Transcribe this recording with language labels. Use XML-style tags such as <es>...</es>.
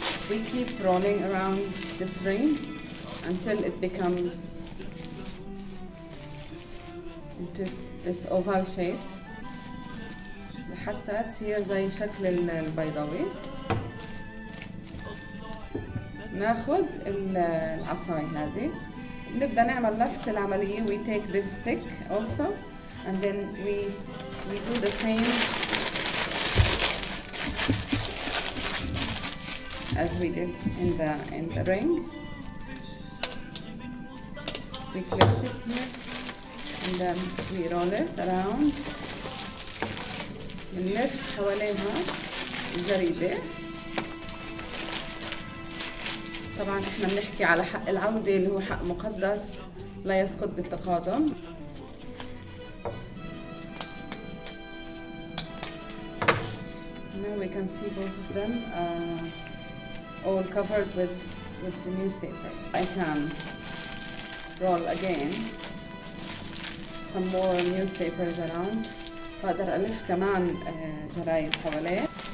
<en>We keep rolling around this ring until it becomes this oval shape</en> <ar>حتى تصير زي شكل البيضاوي. ناخد العصاي هذه نبدأ نعمل نفس العملية.</ar> <en>We take this stick also and then we do the same as we did in the ring. We place it here and then we roll it around.</en> <ar>بنلف حواليها الجريدة. طبعا احنا بنحكي على حق العودة اللي هو حق مقدس لا يسقط بالتقادم.</ar> <en>Now we can see both of them all covered with the newspapers. I can roll again. Some more newspapers around.</en> <ar>بقدر ألف كمان جرايد حواليه.</ar>